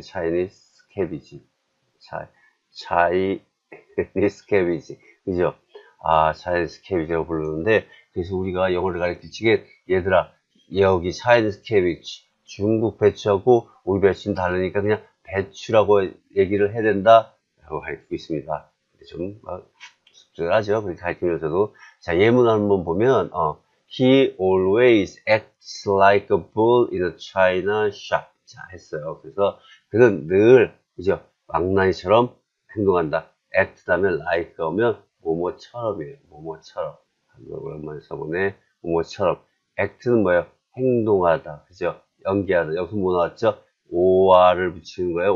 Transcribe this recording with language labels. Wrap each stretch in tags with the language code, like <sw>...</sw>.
<en>Chinese cabbage. Chinese cabbage.</en> <ko>그죠? 아, Chinese cabbage라고 부르는데, 그래서 우리가 영어를 가르치게, 얘들아, 여기 Chinese cabbage. 중국 배추하고 우리 배추는 다르니까 그냥 배추라고 얘기를 해야 된다, 라고 가르치고 있습니다. 좀, 하죠. 그렇게 가르치면서도. 자, 예문 한번 보면,</ko> <en>he always acts like a bull in a china shop.</en> <ko>자, 했어요. 그래서 그는 늘, 그죠, 망나니처럼 행동한다. act 다음에 like 하면 뭐뭐처럼이에요. 뭐뭐처럼. 오랜만에 써보네. 뭐뭐처럼. act는 뭐예요? 행동하다, 그죠? 연기하다. 여기서 뭐 나왔죠? or을 붙이는 거예요.</ko>